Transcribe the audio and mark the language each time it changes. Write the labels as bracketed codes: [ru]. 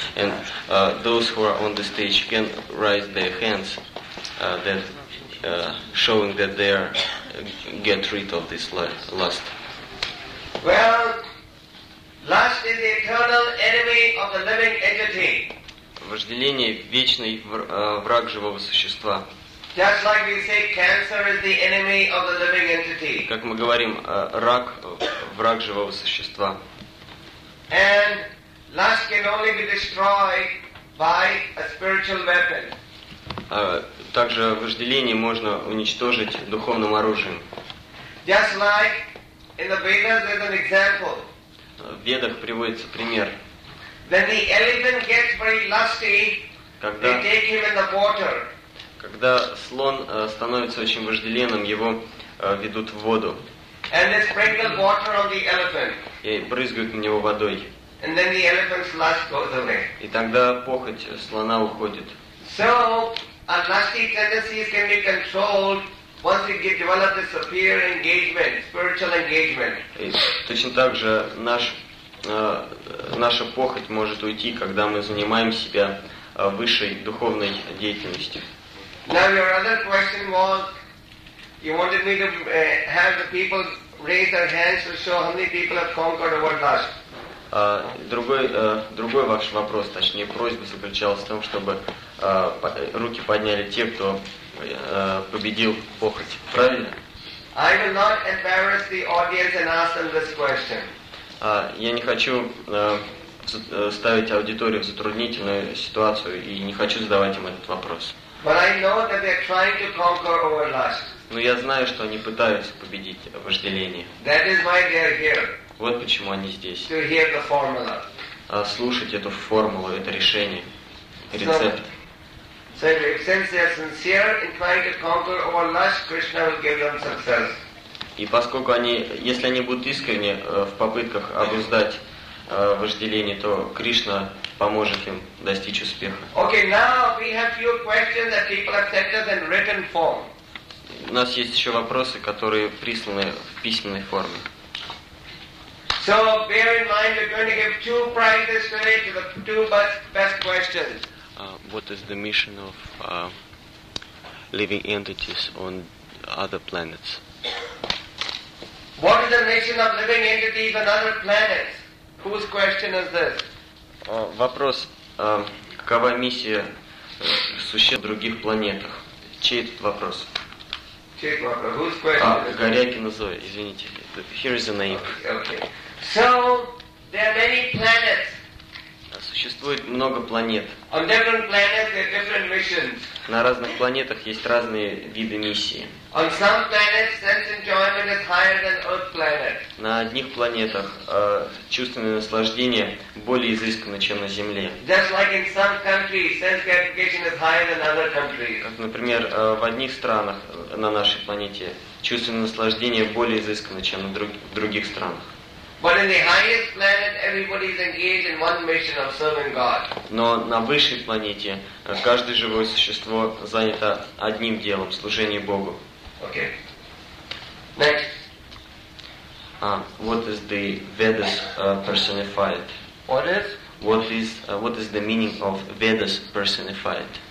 [en] And those who are on the stage can raise their hands, that showing that they are get rid of this lust. Well, lust is the eternal enemy of the living entity. [ru] Вожделение – вечный враг живого существа. [en] Just like we say, cancer is the enemy of the living entity. [ru] Как мы говорим, рак враг живого существа. [en] And lust can only be destroyed by a spiritual weapon. [ru] Также вожделение можно уничтожить духовным оружием. [en] Just like in the Vedas, there's an example. [ru] В Ведах приводится пример. [en] When the elephant gets very lusty, [ru] когда... [en] they take him in the water. [ru] Когда слон становится очень вожделенным, его ведут в воду. [en] And they sprinkle water on the elephant. [ru] И брызгают на него водой. [en] And then the elephant's lust goes away. [ru] И тогда похоть слона уходит. [en] So, our lusty tendencies can be controlled once we get developed a superior engagement, spiritual engagement. [ru] И точно так же наша похоть может уйти, когда мы занимаем себя высшей духовной деятельностью. [en] Now your other question was, you wanted me to have the people raise their hands to show how many people have conquered over lust. [ru] Другой ваш вопрос, точнее просьба заключалась в том, чтобы руки подняли те, кто победил похоть. Правильно? [en] I will not embarrass the audience and ask them this question. [ru] Я не хочу ставить аудиторию в затруднительную ситуацию и не хочу задавать им этот вопрос. [en] But I know that they are trying to conquer over lust. [ru] Но я знаю, что они пытаются победить вожделение. [en] That is why they are here. [ru] Вот почему они здесь. [en] To hear the formula. [ru] Слушать эту формулу, это решение, рецепт. [en] So since they are sincere in trying to conquer over lust, Krishna will give them success. [ru] И поскольку они, если они будут искренне в попытках обуздать вожделение, то Кришна поможет им достичь успеха. [en] Okay, now we have few questions that people have sent us in written form. [ru] У нас есть еще вопросы, которые присланы в письменной форме. [en] So bear in mind, we're going to give two prizes today to the two best questions. What is the mission of living entities on other planets? What is the mission of living entities on other planets? Whose question is this? [ru] Вопрос, какова миссия существ других планетах? Чей этот вопрос? Чей этот вопрос? [en] Whose question is this? [ru] Горякина Зоя, извините. [en] Here is the name. Okay. So, there are many planets. [ru] Существует много планет. [en] On different planets, there are different missions. [ru] На разных планетах есть разные виды миссии. [en] On some planets, sense enjoyment is higher than Earth planet. [ru] На одних планетах чувственное наслаждение более изысканно, чем на Земле. [en] Just like in some countries, sense gratification is higher than other countries. [ru] Как, например, в одних странах на нашей планете чувственное наслаждение более изысканно, чем в других странах. [en] But in the highest planet, everybody is engaged in one mission of serving God. [ru] Но на высшей планете каждое живое существо занято одним делом — служение Богу. [en] Okay. Next. What is the Vedas personified? What is? What is the meaning of Vedas personified?